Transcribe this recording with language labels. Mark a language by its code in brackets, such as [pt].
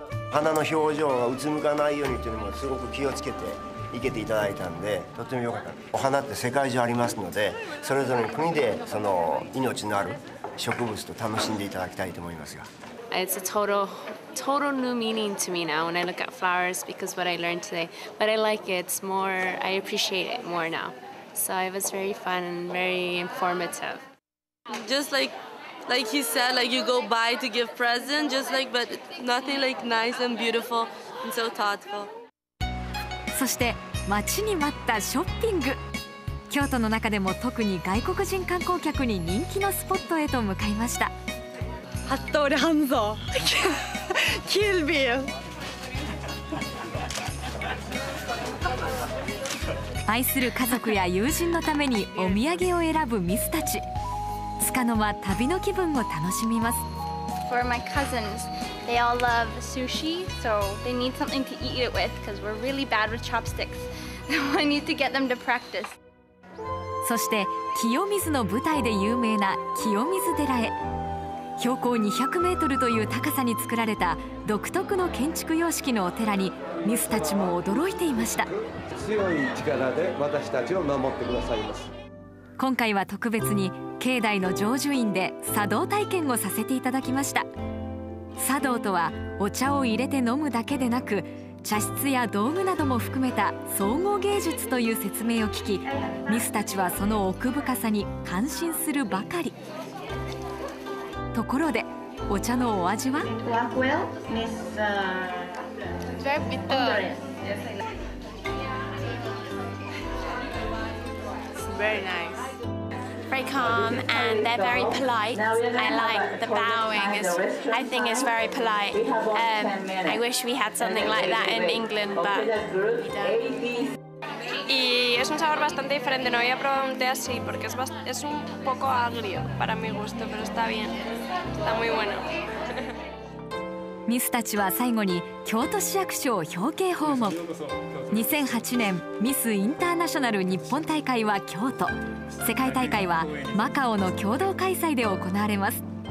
[ja] 花の表情がうつむかないようにというのもすごく気をつけて生けていただいたんでとても良かった。お花って世界中ありますので、それぞれの国でその命のある植物と楽しんでいただきたいと思いますが。 [en] It's a total new meaning to me now when I look at flowers because what I learned today, but I like it. It's more, I appreciate it more now. So it was very fun and very informative. Just like he said, like you go by to give present, just like, but nothing like nice and beautiful and so thoughtful. [ja] そして待ちに待ったショッピング。京都の中でも特に外国人観光客に人気のスポットへと向かいました。ハットリハンゾキルビル。愛する家族や友人のためにお土産を選ぶミスたち、つかの間旅の気分を楽しみます。 [en] For my cousins, They all love sushi, so they need something to eat it with because we're really bad with chopsticks. I need to get them to practice. [ja] そして清水の舞台で有名な清水寺へ。標高200メートルという高さに作られた独特の建築様式のお寺にミスたちも驚いていました。強い力で私たちを守ってくださいます。今回は特別に境内の成就院で茶道体験をさせていただきました。茶道とはお茶を入れて飲むだけでなく茶室や道具なども含めた総合芸術という説明を聞き、ミスたちはその奥深さに感心するばかり。ところでお茶のお味は？ [en] Very calm and they're very polite. I like the bowing. I think it's very polite. I wish we had something like that in England, but we don't. [es] Y es un sabor bastante diferente. No había probado un té así porque es un poco agrio para mi gusto, pero está bien. Está muy bueno. [ja] ミスたちは最後に京都市役所を表敬訪問。 2008年ミスインターナショナル日本大会は京都、世界大会はマカオの共同開催で行われます。